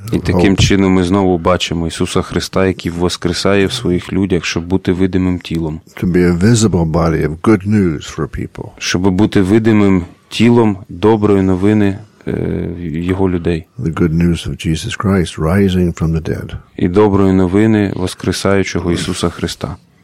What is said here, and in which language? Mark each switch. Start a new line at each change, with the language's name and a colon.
Ukrainian: І таким чином ми знову бачимо Ісуса Христа, який воскресає в своїх людях, щоб бути видимим тілом.
English: To be a visible body of good news for people.
Ukrainian: Щоб бути видимим тілом доброї новини його людей.
English: The good news of Jesus Christ rising from the dead.
Ukrainian: І доброї новини воскресаючого Ісуса Христа.